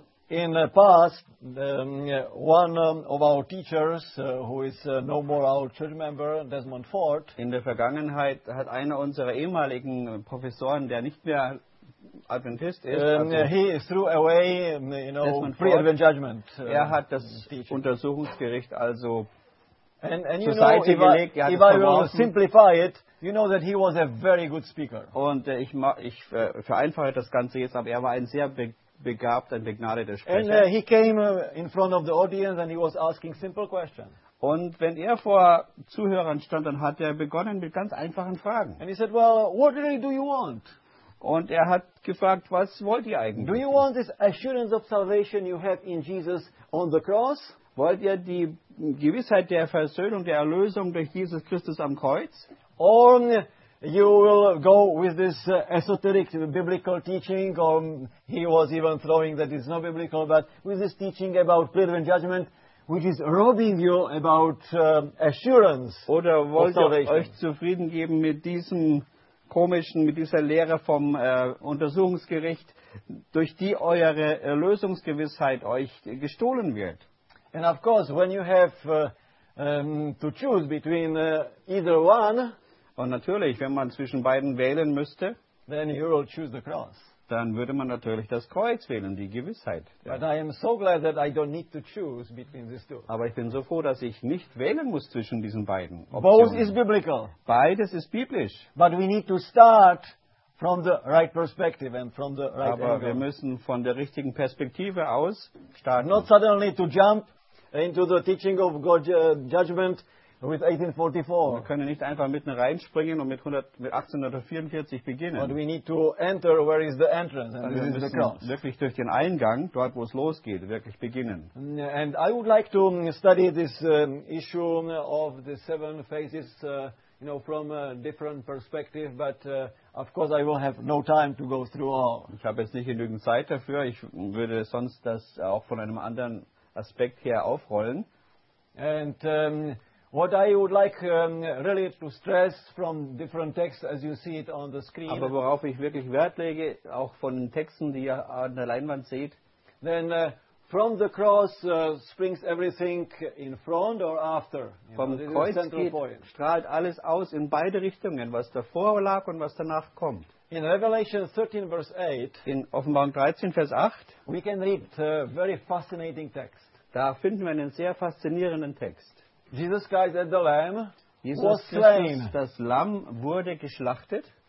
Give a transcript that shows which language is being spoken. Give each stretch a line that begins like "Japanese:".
English: In the past, one of our teachers, who is no more our church member, Desmond Ford.
German: In der Vergangenheit hat einer unserer ehemaligen Professoren, der nicht mehr Adventist ist,
English: he threw away, pre-Advent judgment.
German: Er hat das teaching. Untersuchungsgericht also zur Seite gelegt.
English: If I will simplify it, you know that he was a very good speaker.
German: Und ich vereinfache das Ganze jetzt, aber er war ein sehr begabt und begnadeter Sprecher.
English: And he came in front of the audience and he was asking simple questions.
German: Und wenn er vor Zuhörern stand, dann hat er begonnen mit ganz einfachen Fragen.
English: And he said, well, what really do you want?
German: Und er hat gefragt, was wollt ihr eigentlich?
English: Do you want this assurance of salvation you have in Jesus on the cross?
German: Wollt ihr die Gewissheit der Versöhnung, der Erlösung durch Jesus Christus am Kreuz?
English: Or you will go with this esoteric biblical teaching, or he was even throwing that it's not biblical, but with this teaching about pre-advent judgment, which is robbing you about assurance of salvation.
German: Oder wollt ihr euch zufrieden geben mit diesem komischen, mit dieser Lehre vom Untersuchungsgericht, durch die eure Erlösungsgewissheit euch gestohlen wird?
English: And of course, when you have to choose between either one,
German: und natürlich, wenn man zwischen beiden wählen müsste,
English: then you will choose the cross.
German: Dann würde man natürlich das Kreuz wählen, die Gewissheit.
English: But I am so glad that I don't need to choose between these two.
German: Aber ich bin so froh, dass ich nicht wählen muss zwischen diesen beiden Optionen.
English: Both is biblical.
German: Beides ist biblisch.
English: But we need to start from the right perspective and from the right angle.
German: Aber wir müssen von der richtigen Perspektive aus starten.
English: Not suddenly to jump into the teaching of God's judgment with 1844.
German: Wir können nicht einfach mitten reinspringen und mit 1844 beginnen.
English: But we need to enter where is the entrance and this is the cross.
German: Wirklich durch den Eingang, dort wo es losgeht, wirklich beginnen.
English: And I would like to study this issue of the seven phases from a different perspective, but of course I will have no time to go through all.
German: Ich habe jetzt nicht genügend Zeit dafür. Ich würde sonst das auch von einem anderen Aspekt her aufrollen.
English: And What I would like really to stress from different texts, as you see it on the screen.
German: Aber worauf ich wirklich Wert lege, auch von den Texten, die ihr an der Leinwand seht.
English: Then from the cross springs everything in front or after.
German: Vom Kreuz strahlt alles aus in beide Richtungen, was davor lag und was danach kommt.
English: In Revelation 13 verse 8.
German: In Offenbarung 13 Vers 8.
English: We can read a very fascinating text.
German: Da finden wir einen sehr faszinierenden Text.
English: Jesus Christ, the Lamb,
German: Jesus
English: was
German: Christus,
English: slain.
German: Das Lamm wurde geschlachtet.